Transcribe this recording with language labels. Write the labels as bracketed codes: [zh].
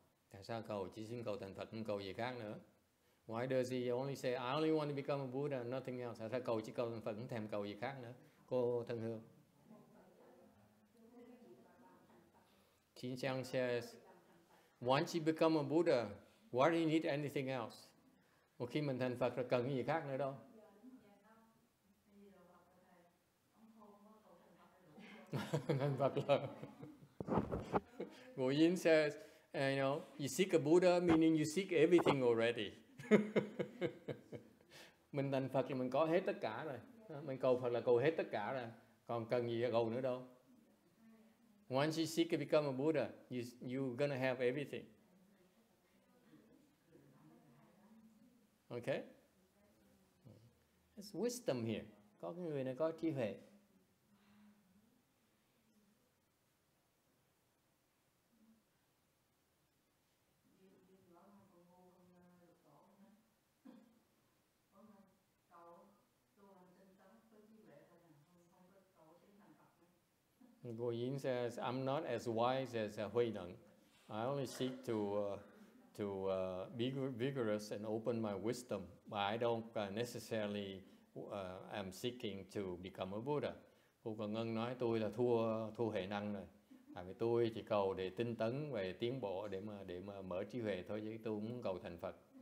[vi] Tại sao cầu, chỉ xin cầu thành Phật, không cầu gì khác nữa? [en] Why does he only say, I only want to become a Buddha and nothing else? [vi] Tại cầu chỉ cầu thành Phật, không thèm cầu gì khác nữa? Cô Thân Hương. [en] Chính Trang says, once you become a Buddha, why do you need anything else? [vi] Một khi mình thành Phật, rồi cần cái gì khác nữa đâu? Thành Phật là... [en] Ngô Yin says, and you know, you seek a Buddha, meaning you seek everything already. [vi] Mình thành Phật là mình có hết tất cả rồi. Mình cầu Phật là cầu hết tất cả rồi. Còn cần gì cầu nữa đâu. [en] Once you seek to become a Buddha, you're going to have everything. Okay? It's wisdom here. [vi] Có người này có trí huệ. [en] Ngô Yin says, I'm not as wise as HuiNeng. I only seek to be vigorous and open my wisdom, but I don't necessarily am seeking to become a Buddha. [vi] Cô Cần Ngân nói tôi là thua HuiNeng rồi. Tại vì tôi chỉ cầu để tinh tấn về tiến bộ để mà mở trí huệ thôi chứ tôi muốn cầu thành Phật.